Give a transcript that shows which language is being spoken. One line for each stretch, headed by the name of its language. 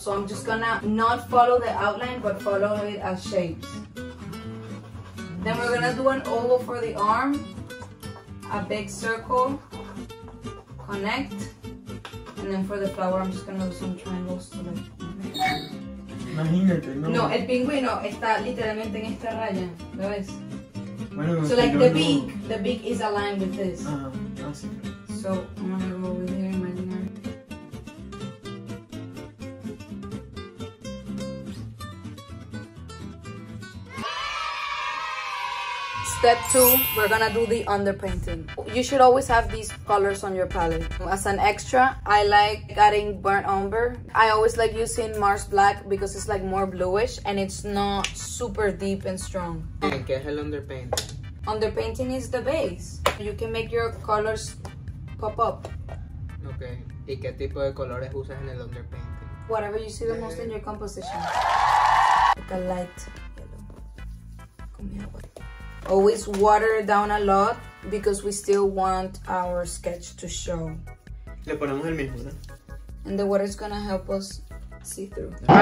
English: So, I'm just going to not follow the outline, but follow it as shapes. Then, we're going to do an oval for the arm. A big circle. Connect, and then for the flower, I'm just gonna do some triangles to like.
Spanish: Imagínate, no. No, el pingüino está literalmente en esta raya, ¿lo ves? Bueno,
English: so like the beak is aligned with this. So I'm gonna go over here, imaginary. Step two, we're gonna do the underpainting. You should always have these colors on your palette. As an extra, I like adding burnt umber. I always like using Mars Black because it's like more bluish and it's not super deep and strong. Yeah, get hell underpainting. Underpainting is the base. You can make your colors pop up.
Spanish: Okay, ¿y qué tipo de colores usas en el underpainting?
English: Whatever you see the most in your composition. The light yellow. Always water it down a lot because we still want our sketch to show.
Spanish: Le ponemos el mismo, ¿no?
English: And the water is gonna help us see through.